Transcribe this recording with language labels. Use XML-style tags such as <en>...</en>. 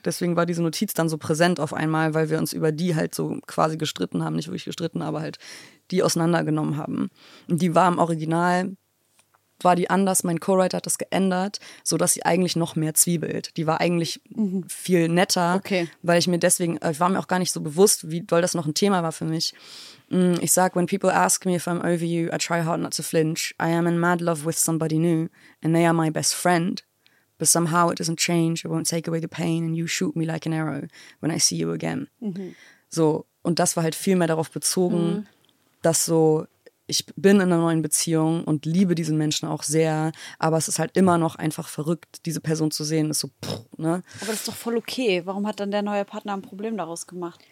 <de>Deswegen war diese Notiz dann so präsent auf einmal, weil wir uns über die halt so quasi gestritten haben, nicht wirklich gestritten, aber halt die auseinandergenommen haben. Und die war im Original, war die anders. Mein Co-Writer hat das geändert, sodass sie eigentlich noch mehr zwiebelt. Die war eigentlich viel netter, okay. Weil ich mir deswegen, ich war mir auch gar nicht so bewusst, wie doll das noch ein Thema war für mich. Ich sag,</de> <en>when people ask me if I'm over you, I try hard not to flinch. I am in mad love with somebody new and they are my best friend. But somehow it doesn't change, it won't take away the pain and you shoot me like an arrow when I see you again. Mhm.</en> <de>So, und das war halt viel mehr darauf bezogen, dass so, ich bin in einer neuen Beziehung und liebe diesen Menschen auch sehr, aber es ist halt immer noch einfach verrückt, diese Person zu sehen. Ist so, pff, ne? Aber das ist doch voll okay. Warum hat dann der neue Partner ein Problem daraus gemacht?</de>